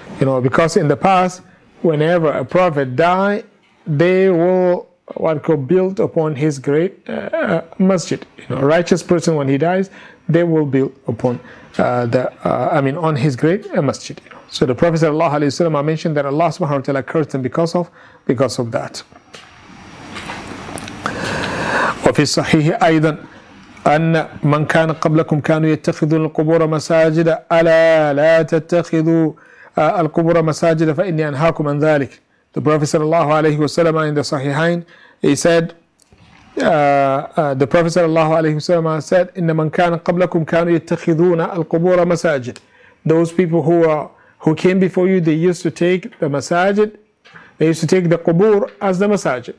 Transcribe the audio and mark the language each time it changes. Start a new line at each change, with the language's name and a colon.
English: You know, because in the past, whenever a prophet died, they will build upon his great masjid. You know, a righteous person when he dies, they will build upon on his great masjid. You know? So the Prophet sallallahu alaihi wasallam mentioned that Allah subhanahu wa ta'ala cursed them because of that.
Arabic: وفي الصحيح أيضا أن من كان قبلكم كانوا يتخذون القبور مساجد ألا لا تتخذوا القبور مساجد فإني أنهاكم عن ذلك.
English: The Prophet sallallahu alaihi wasallam in the Sahihain, he said, the Prophet sallallahu alaihi wasallam said,
Arabic: إن من كان قبلكم كانوا يتخذون القبور مساجد.
English: Those people who came before you, they used to take the masajid, they used to take the qubur as the masajid.